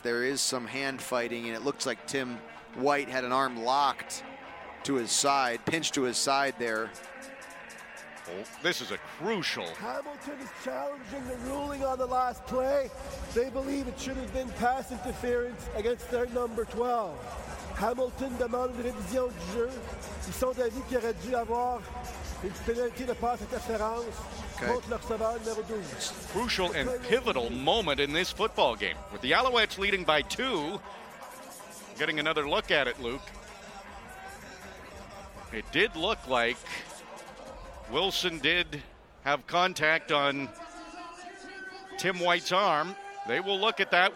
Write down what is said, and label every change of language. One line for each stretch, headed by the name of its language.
English: There is some hand fighting, and it looks like Tim White had an arm locked to his side, pinched to his side there. Oh, this is a crucial. Hamilton is challenging the ruling on the last play. They believe it should have been pass interference against their number 12.
French: Hamilton demande une révision du jeu. Ils sont d'avis qu'il aurait dû avoir une pénalité de pass interference.
English: Okay. Crucial and pivotal moment in this football game. With the Alouettes leading by two. Getting another look at it, Luke. It did look like Wilson did have contact on Tim White's arm. They will look at that.